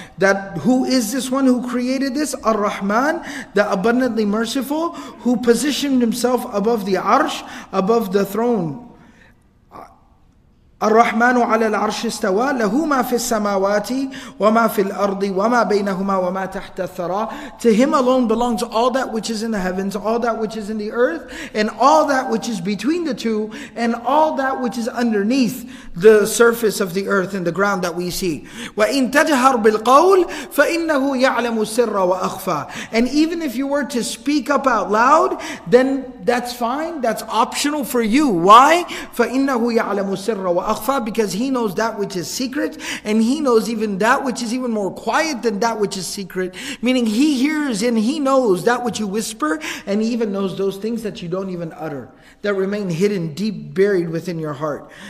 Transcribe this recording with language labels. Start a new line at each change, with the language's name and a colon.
English: That who is this one who created this? الرحمن, the abundantly merciful, who positioned himself above the arsh, above the throne.
Arabic: الرحمن على العرش استوى له ما في السماوات وما في الأرض وما بينهما وما تحت الثرى.
English: To him alone belongs all that which is in the heavens, all that which is in the earth, and all that which is between the two, and all that which is underneath the surface of the earth and the ground that we see.
Arabic: وإن تجهر بالقول فإنه يعلم السر وأخفى.
English: And even if you were to speak up out loud, then that's fine, that's optional for you. Why?
Arabic: فإنه يعلم السر وأخفى.
English: akhfa, because he knows that which is secret, and he knows even that which is even more quiet than that which is secret. Meaning he hears and he knows that which you whisper, and he even knows those things that you don't even utter, that remain hidden, deep buried within your heart.